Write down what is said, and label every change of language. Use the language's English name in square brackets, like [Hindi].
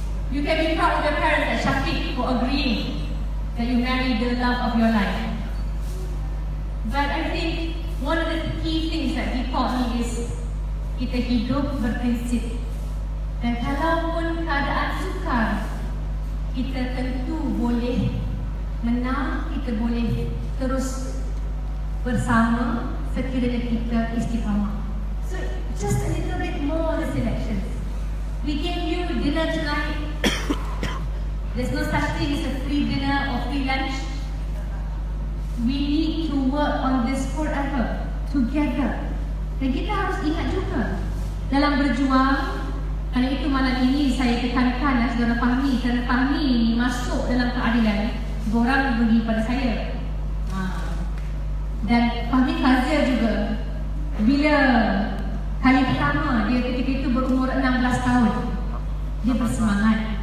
[English] You can be proud of your parents and Shafiq for agreeing that you married the love of your life. But I think one of the key things that he taught me is [Malay] kita hidup berprinsip. Dan kalaupun keadaan sukar, kita tentu boleh menang, kita boleh terus bersama sekiranya kita istiqamah. [English] So just a little bit more on the selection. We gave you dinner tonight. There's no such thing as a free dinner or free lunch. We need to work on this forever, together. [Malay] Dan kita harus ingat juga, dalam berjuang, karena itu malam ini saya tekankan dan saudara fahami, karena fahami masuk dalam keadilan, borang bagi pada saya. Dan fahami Fazil juga, bila kali pertama dia ketika itu berumur 16 tahun, dia bersemangat.